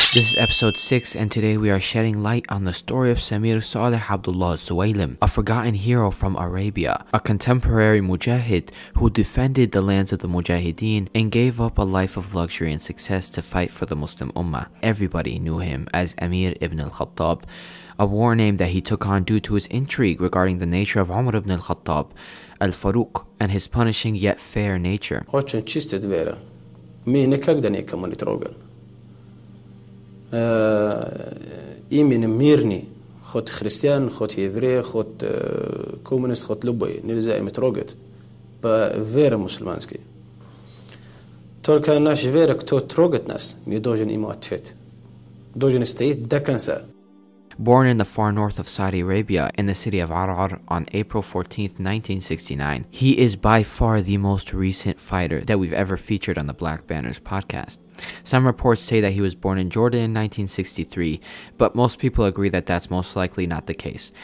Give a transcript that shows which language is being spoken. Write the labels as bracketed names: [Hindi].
[English] This is episode 6, and today we are shedding light on the story of Samir Saleh Abdullah Suwaylim, a forgotten hero from Arabia, a contemporary mujahid who defended the lands of the mujahideen and gave up a life of luxury and success to fight for the Muslim ummah. Everybody knew him as Amir ibn al-Khattab, a war name that he took on due to his intrigue regarding the nature of Umar ibn al-Khattab, al-Faruq, and his punishing yet fair nature. [Russian] Очень чистая вера. Мы никогда никому не трогал. Именно мирный, хоть христиан, хоть еврей, хоть коммунист, хоть любой, нельзя им трогать по вере мусульманской. Только наша вера, кто трогает нас, мы должен ему ответ. Должен стоять до конца. [English] Born in the far north of Saudi Arabia, in the city of Arar, on April 14, 1969, he is by far the most recent fighter that we've ever featured on the Black Banners podcast. Some reports say that he was born in Jordan in 1963, but most people agree that that's most likely not the case.